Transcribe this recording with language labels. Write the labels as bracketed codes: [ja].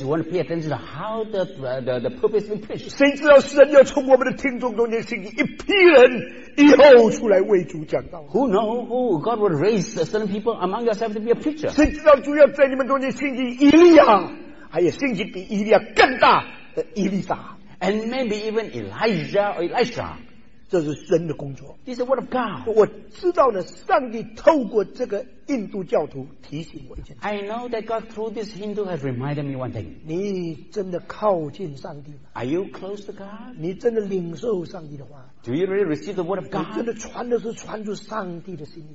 [en] You want to pay attention to how the purpose is preached. [zh] 谁知道神要从我们的听众中间兴起一批人。以后出来为主讲道。 [en] Who knows who God would raise certain people among yourself to be a preacher? [zh] 谁知道主要在你们中间兴起以利亚，还有兴起比以利亚更大的以利沙。 [en] And maybe even Elijah or Elisha. [zh] 这是神的工作。 [en] This is the word of God. [zh] 我知道呢，上帝透过这个印度教徒提醒我一件。 [en] I know that God through this Hindu has reminded me one thing. [zh] 你真的靠近上帝吗？ [en] Are you close to God? [zh] 你真的领受上帝的话？ [en] Do you really receive the word of God? [zh] 你真的传的是传出上帝的心意？